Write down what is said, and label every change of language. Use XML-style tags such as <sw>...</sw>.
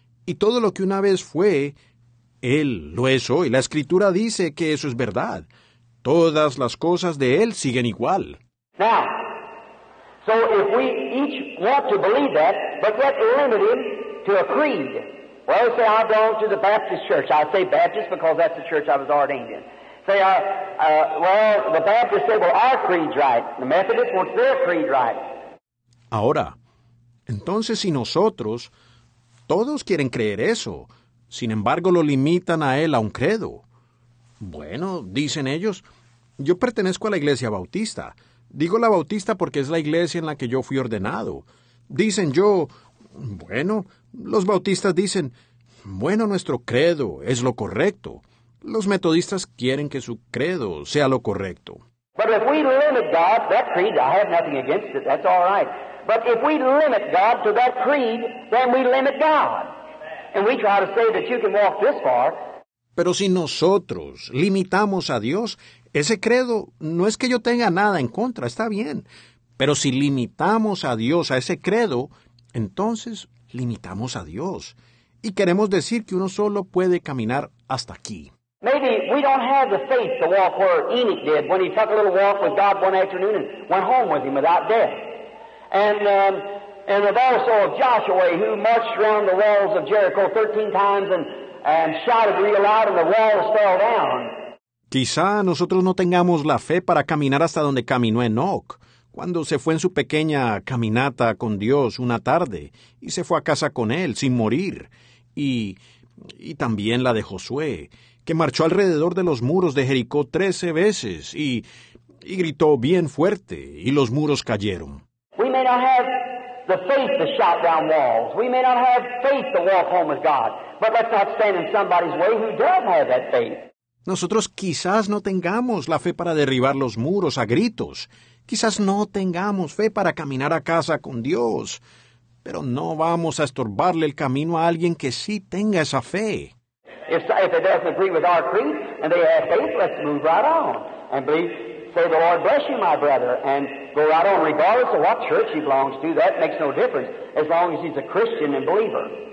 <es>Y todo lo que una vez fue, Él lo es hoy. La Escritura dice que eso es verdad. Todas las cosas de Él siguen igual.</es> <en>Now, so if we each want to believe that, but yet limit Him to a creed, well, say I belong to the Baptist Church. I say Baptist because that's the church I was ordained in. Say, the Baptists say, well, our creed's right. The Methodists want their creed right.</en> <es>Ahora, entonces si nosotros, todos quieren creer eso, sin embargo lo limitan a Él a un credo. Bueno, dicen ellos, Yo pertenezco a la iglesia bautista. Digo la bautista porque es la iglesia en la que yo fui ordenado. Dicen yo, bueno, los bautistas dicen, bueno, nuestro credo es lo correcto. Los metodistas quieren que su credo sea lo correcto.</es> <en>But if we limit God, that creed, I have nothing against it, that's all right. But if we limit God to that creed, then we limit God. And we try to say that you can walk this far.</en> <es>Pero si nosotros limitamos a Dios, ese credo, no es que yo tenga nada en contra, está bien. Pero si limitamos a Dios a ese credo, entonces limitamos a Dios. Y queremos decir que uno solo puede caminar hasta aquí.</es> <en>Maybe we don't have the faith to walk where Enoch did when he took a little walk with God one afternoon and went home with him without death. And the verse of Joshua who marched around the walls of Jericho 13 times and shouted real loud and the walls fell down.</en> <es>Quizá nosotros no tengamos la fe para caminar hasta donde caminó Enoch, cuando se fue en su pequeña caminata con Dios una tarde y se fue a casa con él sin morir. Y también la de Josué, que marchó alrededor de los muros de Jericó 13 veces y gritó bien fuerte y los muros cayeron.</es> <en>We may not have the faith to shout down walls. We may not have faith to walk home with God. But let's not stand in somebody's way who doesn't have that faith.</en> <es>Nosotros quizás no tengamos la fe para derribar los muros a gritos. Quizás no tengamos fe para caminar a casa con Dios. Pero no vamos a estorbarle el camino a alguien que sí tenga esa fe.</es> <en>If it doesn't agree with our creed and they have faith, let's move right on. And believe, say the Lord bless you, my brother, and go right on. Regardless of what church he belongs to, that makes no difference as long as he's a Christian and believer.</en>